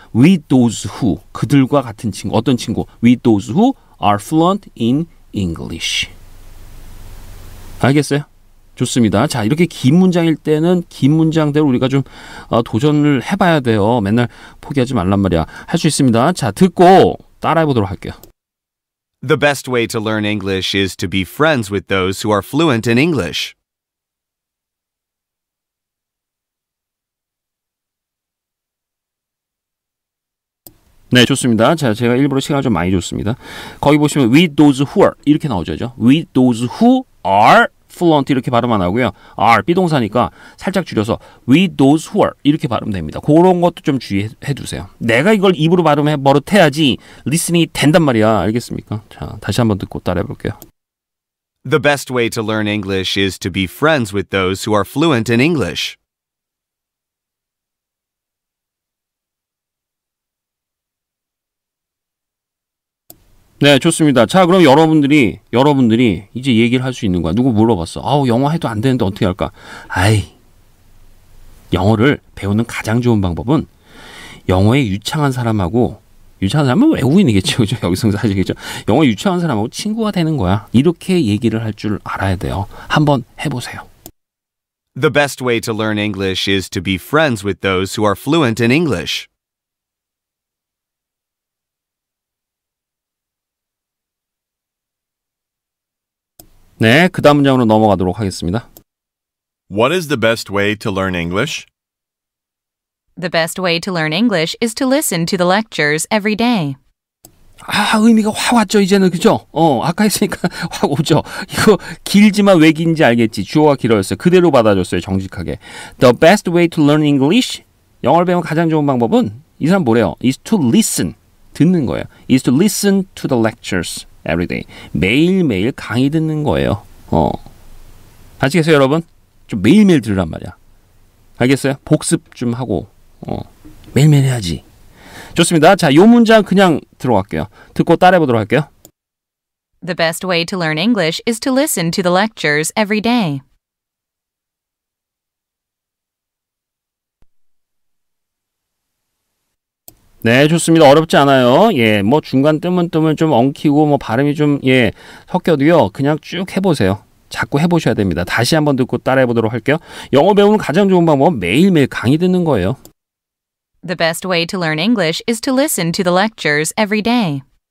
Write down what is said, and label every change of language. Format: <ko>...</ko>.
<en>With those who.</en> <ko>그들과 같은 친구. 어떤 친구?</ko> <en>With those who are fluent in English.</en> <ko>알겠어요? 좋습니다. 자, 이렇게 긴 문장일 때는 긴 문장대로 우리가 좀 도전을 해봐야 돼요. 맨날 포기하지 말란 말이야. 할 수 있습니다. 자, 듣고 따라해보도록 할게요.</ko> <en>The best way to learn English is to be friends with those who are fluent in English.</en> <ko>(웃음) 네, 좋습니다. 자, 제가 일부러 시간을 좀 많이 줬습니다. 거기 보시면</ko> <en>with those who are</en> <ko>이렇게 나오죠. 그죠?</ko> <en>With those who are fluent</en> <ko>이렇게 발음 안 하고요. are, 비동사니까 살짝 줄여서</ko> <en>with those who are</en> <ko>이렇게 발음됩니다. 그런 것도 좀 주의해 두세요. 내가 이걸 입으로 발음해 버릇해야지 리스닝이 된단 말이야. 알겠습니까? 자, 다시 한번 듣고 따라해 볼게요.</ko> <en>The best way to learn English is to be friends with those who are fluent in English.</en> <ko>네, 좋습니다. 자, 그럼 여러분들이 이제 얘기를 할 수 있는 거야. 누구 물어봤어. 아우, 영어 해도 안 되는데 어떻게 할까? 아이, 영어를 배우는 가장 좋은 방법은 영어에 유창한 사람하고, 유창한 사람은 외국인이겠죠. 그렇죠? 여기서는 사실이겠죠. 영어에 유창한 사람하고 친구가 되는 거야. 이렇게 얘기를 할 줄 알아야 돼요. 한번 해보세요.</ko> <en>The best way to learn English is to be friends with those who are fluent in English.</en> <ko>네, 그 다음 문장으로 넘어가도록 하겠습니다.</ko> <en>What is the best way to learn English? The best way to learn English is to listen to the lectures every day.</en> <ko>아, 의미가 확 왔죠, 이제는, 그죠? 아까 했으니까 확 오죠. 이거 길지만 왜 긴지 알겠지. 주어가 길어졌어요. 그대로 받아줬어요, 정직하게.</ko> <en>The best way to learn English?</en> <ko>영어를 배우면 가장 좋은 방법은? 이 사람 뭐래요?</ko> <en>Is to listen.</en> <ko>듣는 거예요.</ko> <en>Is to listen to the lectures. every day</en> <ko>매일매일 강의 듣는 거예요. 아시겠어요, 여러분? 좀 매일매일 들으란 말이야. 알겠어요? 복습 좀 하고 매일매일 해야지. 좋습니다. 자, 요 문장 그냥 들어갈게요. 듣고 따라해 보도록 할게요.</ko> <en>The best way to learn English is to listen to the lectures every day.</en> <ko>네, 좋습니다. 어렵지 않아요. 예, 뭐 중간 뜸은 좀 엉키고 뭐 발음이 좀 섞여도요. 그냥 쭉 해보세요. 자꾸 해보셔야 됩니다. 다시 한번 듣고 따라해 보도록 할게요. 영어 배우는 가장 좋은 방법은 매일매일 강의 듣는 거예요.</ko> <en>The best way to learn English is to listen to the lectures every day.</en>